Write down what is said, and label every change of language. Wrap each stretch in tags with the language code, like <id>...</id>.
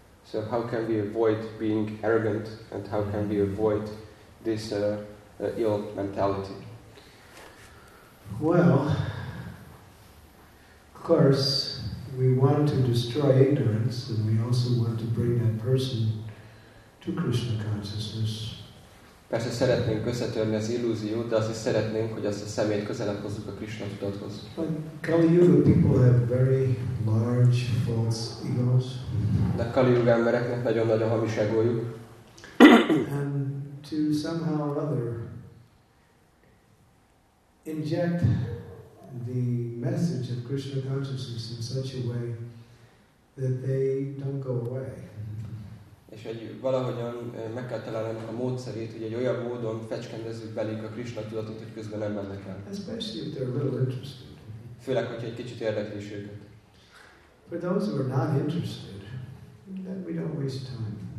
<en>So how can we avoid being arrogant, and how can we avoid this your mentality? Well, of course, we want to destroy ignorance, and we also want to bring that person to Krishna consciousness.</en> <hu>Persze szeretnénk összetörni az illúziót, de azt is szeretnénk, hogy azt a szemét közelebb hozzuk a Krishna tudathoz.</hu> <en>Kali Yuga people have very large false egos.</en> <hu>De Kali Yuga embereknek nagyon nagy a hamis egójuk.</hu> <en>And to somehow or other inject the message of Krishna consciousness in such a way that they don't go away.</en> <hu>És egy valahogyan meg kell találni a módszerét, hogy egy olyan módon fecskendezzük belénk a Krishna tudatot, hogy közben nem mennek el.</hu> <en>Especially if they're a little interested.</en> <hu>Főleg, hogyha egy kicsit érdekli is őket.</hu> <en>For those who are not interested, then we don't waste time.</en>